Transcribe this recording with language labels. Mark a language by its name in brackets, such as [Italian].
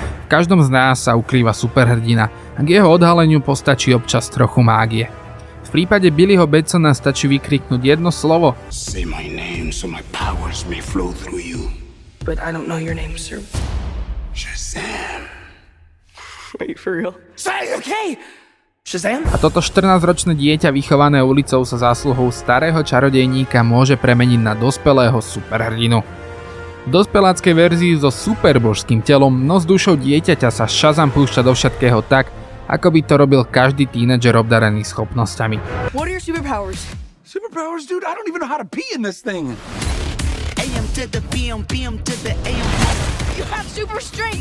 [Slovak] V každom z nás sa ukrýva superhrdina a k jeho odhaleniu postačí občas trochu mágie. V prípade Billyho Batsona stačí vykriknúť jedno slovo. [English] Say my name so my powers may flow through you. But I don't know your name, sir. Shazam. Wait, for real? Say, okay! Shazam? [Slovak] A toto 14-ročné dieťa vychované ulicou sa zásluhou starého čarodejníka môže premeniť na dospelého superhrdinu. V dospeláckej verzii so superbožským telom, no s dušou dieťaťa sa Shazam púšťa do všetkého tak, ako by to robil každý tínedžer obdarený schopnosťami. [English] What are your superpowers? Superpowers, dude, I don't even know how to pee in this thing. AM to the PM, PM to the AM. You have super strength.